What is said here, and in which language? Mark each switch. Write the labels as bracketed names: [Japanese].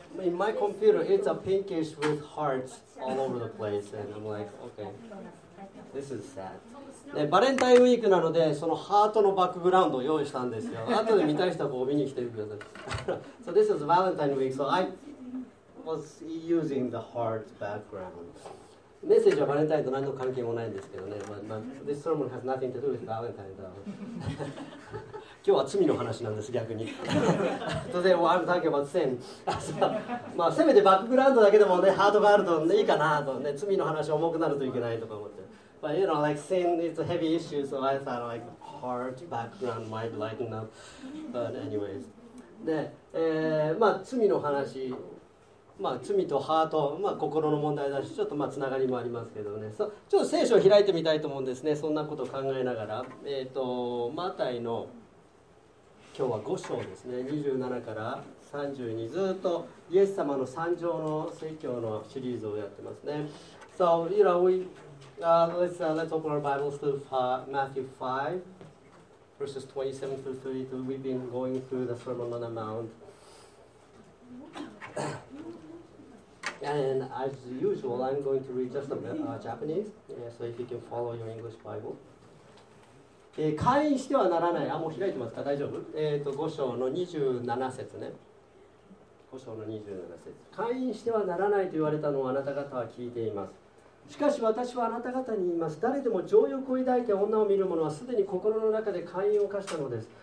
[English] In my computer, it's a pinkish with hearts all over the place, and I'm like, okay, this is sad. [Japanese] ね、バレンタインウィークなのでそのハートのバックグラウンドを用意したんですよ。後で見たい人はこう見に来てください。 [English] So this is Valentine week, so I was using the heart background. [Japanese] メッセージはバレンタインと何の関係もないんですけどね。 [English] This sermon has nothing to do with Valentine though. [Japanese] 今日は罪の話なんです、逆に。 [English] Today I'm talking about sin. [Japanese] まあせめてバックグラウンドだけでもね、ハートがあるといいかなとね、罪の話重くなるといけないとか思って。 [English] But you know, like sin is a heavy issue, so I thought like heart background might lighten up. But anyways, [Japanese] で、まあ罪の話、まあ罪とハート、まあ心の問題だし、ちょっとまあつながりもありますけどね。そう、ちょっと聖書を開いてみたいと思うんですね。そんなことを考えながら、マタイの今日は5章ですね。 27から32、ずっとイエス様の三条の説教のシリーズをやってますね。 [English] So you know we. Let's open our Bibles to Matthew 5, verses 27 through 32. We've been going through the Sermon on the Mount. And as usual, I'm going to read just a bit, Japanese, so if you can follow your English Bible. [Japanese] 会員してはならない。あ、もう開いてますか？大丈夫？5章の27節ね。5章の27節。会員してはならないと言われたのをあなた方は聞いています。しかし私はあなた方に言います。誰でも情欲を抱いて女を見る者はすでに心の中で姦淫を犯したのです。